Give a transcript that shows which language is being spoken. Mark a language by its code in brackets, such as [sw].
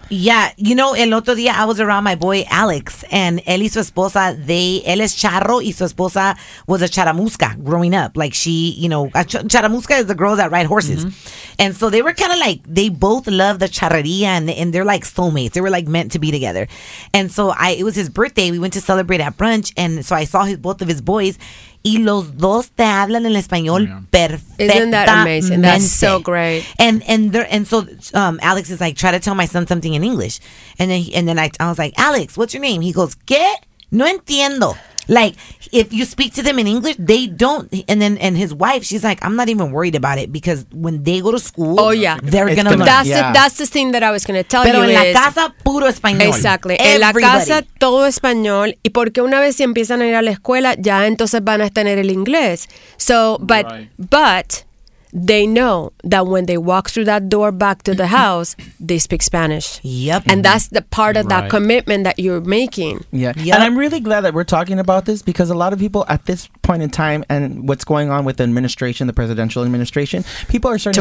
[en] Yeah. You know, [es] el otro día [en] I was around my boy Alex and [es] él y su esposa, [en] él es charro y su esposa was a charamusca growing up. Like she, you know, charamusca is the girls that ride horses. Mm-hmm. And so they were kind of like, they both love the charrería and they're like soulmates. They were like meant to be together. And so it was his birthday. We went to celebrate at brunch. And so I saw both of his boys. [es] Y los dos te hablan en español perfectamente. [en] Isn't that amazing? That's so great. And so Alex is like, try to tell my son something in English. And then I was like, Alex, what's your name? He goes, [es] ¿qué? No entiendo. [en] Like, if you speak to them in English, they don't. And his wife, she's like, I'm not even worried about it because when they go to school, oh, yeah. they're going to learn. That's the thing that I was going to tell [es] Pero [en] you [es] Pero en [en] is, [es] la casa, puro español. [en] Exactly. Everybody. [es] En la casa, todo español. Y porque una vez si empiezan a ir a la escuela, ya entonces van a tener el inglés. [en] So, but, right. but they know that when they walk through that door back to the house, they speak Spanish. Yep. And that's the part of right. that commitment that you're making. Yeah. Yep. And I'm really glad that we're talking about this because a lot of people at this point in time and what's going on with the administration, the presidential administration, people are starting